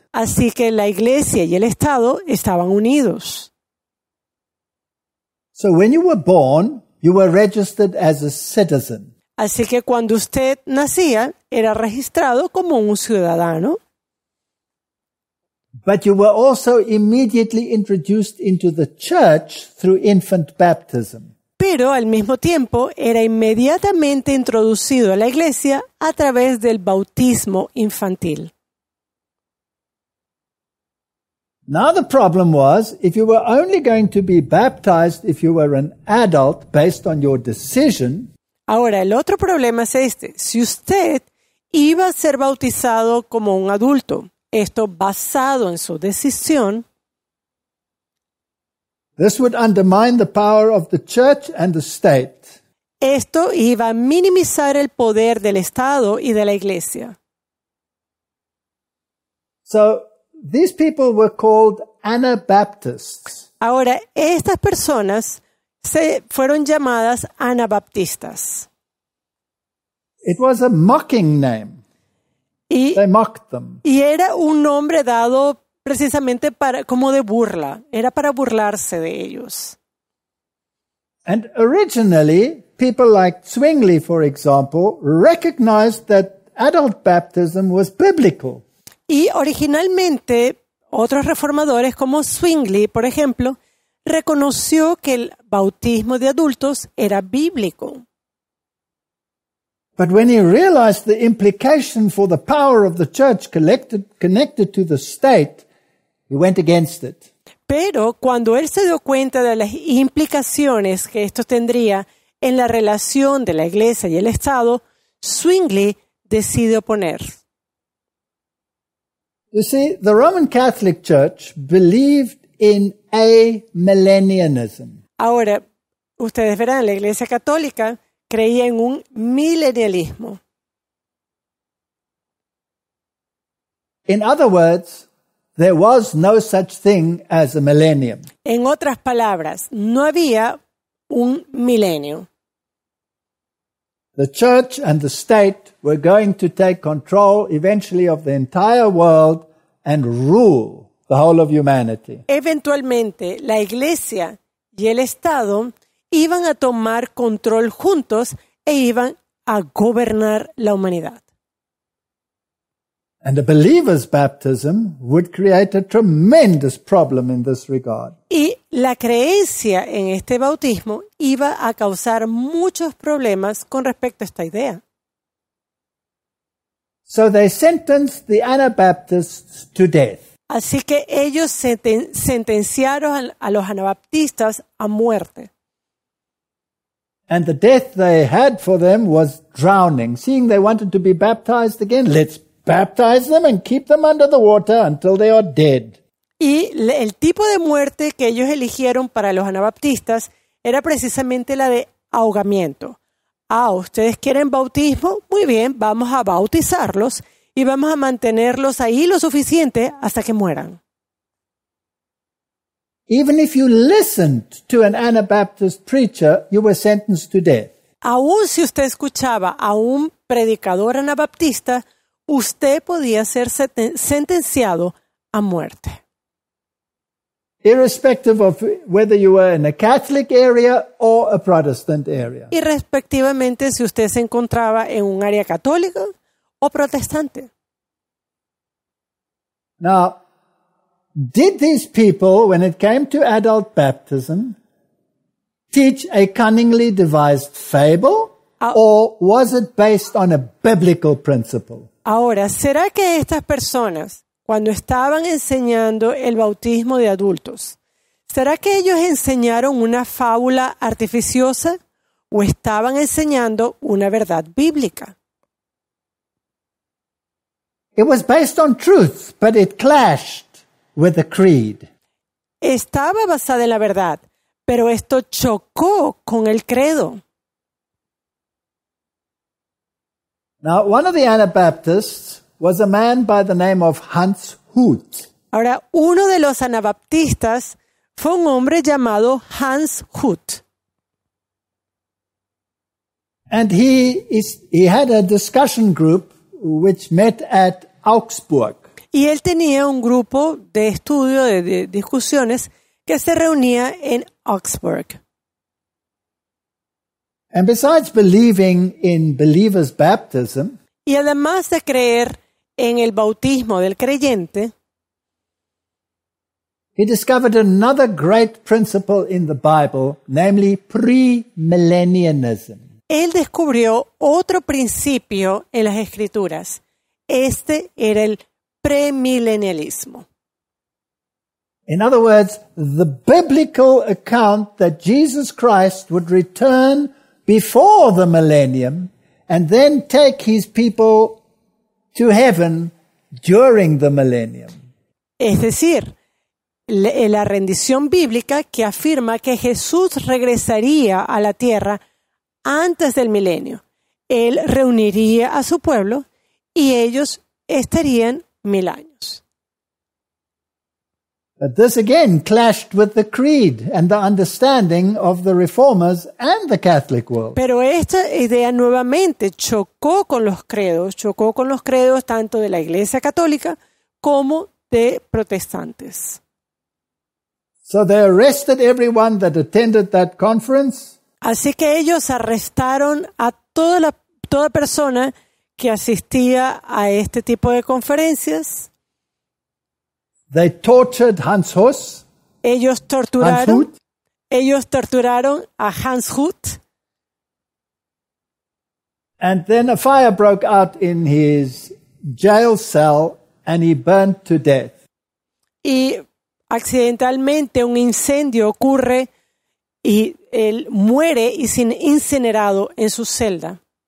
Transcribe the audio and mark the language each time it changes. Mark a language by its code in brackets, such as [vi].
[es] Así que la iglesia y el Estado estaban unidos. [en] So when you were born, you were registered as a citizen. [es] Así que cuando usted nacía, era registrado como un ciudadano. [en] But you were also immediately introduced into the church through infant baptism. [es] Pero al mismo tiempo era inmediatamente introducido a la iglesia a través del bautismo infantil. [en] Now the problem was, if you were only going to be baptized if you were an adult based on your decision. [es] Ahora el otro problema es este, si usted iba a ser bautizado como un adulto, esto basado en su decisión. [en] This would undermine the power of the church and the state. [es] Esto iba a minimizar el poder del Estado y de la iglesia. [en] So these people were called Anabaptists. [es] Ahora, estas personas se fueron llamadas Anabaptistas. [en] It was a mocking name. They mocked them. [es] Y era un nombre dado precisamente para, como de burla. Era para burlarse de ellos. [en] And originally, people like Zwingli, for example, recognized that adult baptism was biblical. [es] Y originalmente, otros reformadores como Zwingli, por ejemplo, reconoció que el bautismo de adultos era bíblico. [en] But when he realized the implication for the power of the church connected to the state, he went against it. [es] Pero cuando él se dio cuenta de las implicaciones que esto tendría en la relación de la iglesia y el Estado, Zwingli decide oponer. [en] You see, the Roman Catholic Church believed in amillennialism. [es] Ahora, ustedes verán, la Iglesia Católica creía en un milenialismo. [en] In other words, there was no such thing as a millennium. [es] En otras palabras, no había un milenio. [en] The church and the state were going to take control eventually of the entire world and rule the whole of humanity. [es] Eventualmente, la iglesia y el Estado iban a tomar control juntos e iban a gobernar la humanidad. [en] And a believer's baptism would create a tremendous problem in this regard. [es] Y la creencia en este bautismo iba a causar muchos problemas con respecto a esta idea. [en] So they sentenced the Anabaptists to death. [es] Así que ellos sentenciaron a los anabaptistas a muerte. [en] And the death they had for them was drowning. Seeing they wanted to be baptized again, let's baptize them and keep them under the water until they are dead. [es] Y el tipo de muerte que ellos eligieron para los anabaptistas era precisamente la de ahogamiento. Ah, ¿ustedes quieren bautismo? Muy bien, vamos a bautizarlos y vamos a mantenerlos ahí lo suficiente hasta que mueran. [en] Even if you listened to an Anabaptist preacher, you were sentenced to death. [es] Aún si usted escuchaba a un predicador anabaptista, usted podía ser sentenciado a muerte. [en] Irrespective of whether you were in a Catholic area or a Protestant area. [es] Irrespectivamente si usted se encontraba en un área católica o protestante. [en] Now, did these people, when it came to adult baptism, teach a cunningly devised fable, or was it based on a biblical principle? [es] Ahora, ¿será que estas personas, cuando estaban enseñando el bautismo de adultos, ¿será que ellos enseñaron una fábula artificiosa o estaban enseñando una verdad bíblica? [en] It was based on truth, but it clashed with the creed. [es] Estaba basada en la verdad, pero esto chocó con el credo. [en] Now, one of the Anabaptists was a man by the name of Hans Hut. [es] Ahora, uno de los anabaptistas fue un hombre llamado Hans Hut. [en] And he had a discussion group which met at Augsburg. [es] Y él tenía un grupo de estudio de discusiones que se reunía en Augsburg. [en] And besides believing in believer's baptism, [es] y además de creer en el bautismo del creyente, [en] he discovered another great principle in the Bible, namely premillennialism. [es] Él descubrió otro principio en las Escrituras. Este era el premilenialismo. [en] In other words, the biblical account that Jesus Christ would return before the millennium and then take his people to heaven during the millennium. [es] Es decir, la rendición bíblica que afirma que Jesús regresaría a la tierra antes del milenio. Él reuniría a su pueblo y ellos estarían 1,000 años. [en] But this again clashed with the creed and the understanding of the reformers and the Catholic world. [es] Pero esta idea nuevamente chocó con los credos tanto de la Iglesia Católica como de protestantes. [en] So they arrested everyone that attended that conference. [es] Así que ellos arrestaron a toda persona que asistía a este tipo de conferencias. [en] They tortured Hans Hus. [es] Ellos torturaron. Hans Hut. Ellos torturaron a Hans Hut. [en] And then a fire broke out in his jail cell and he burned to death. [es] Y accidentalmente un incendio ocurre y él muere y es incinerado en su celda.